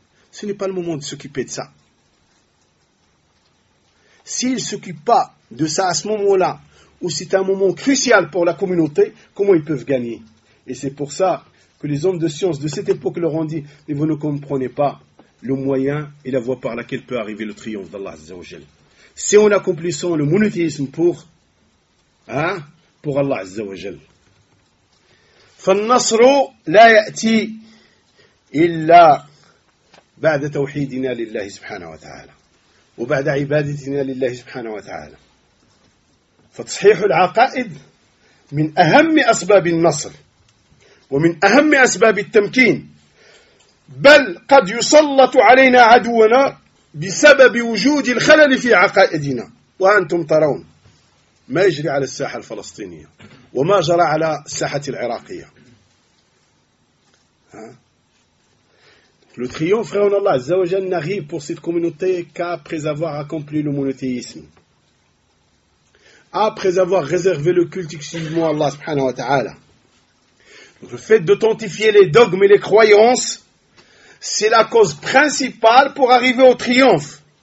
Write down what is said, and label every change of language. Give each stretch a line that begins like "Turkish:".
French: Ce n'est pas le moment de s'occuper de ça. » S'ils ne s'occupent pas de ça à ce moment-là, où c'est un moment crucial pour la communauté, comment ils peuvent gagner? Et c'est pour ça que les hommes de science de cette époque leur ont dit « Mais vous ne comprenez pas le moyen et la voie par laquelle peut arriver le triomphe d'Allah Azza wa Jal. C'est en accomplissant le monothéisme pour Allah Azza wa Jal. »
Arabic: فالنصر لا يأتي إلا بعد توحيدنا لله سبحانه وتعالى وبعد عبادتنا لله سبحانه وتعالى. فتصحيح العقائد من أهم أسباب النصر ومن أهم أسباب التمكين، بل قد يسلط علينا عدونا بسبب وجود الخلل في عقائدنا. وأنتم ترون ما يجري على الساحة الفلسطينية وما جرى على الساحة العراقية.
French: Le triomphe, frère en Allah, Azza wa Jal, n'arrive pour cette communauté qu'après avoir accompli le monothéisme. Après avoir réservé le culte exclusivement à Allah, subhanahu wa ta'ala. Le fait d'authentifier les dogmes et les croyances, c'est la cause principale pour arriver au triomphe.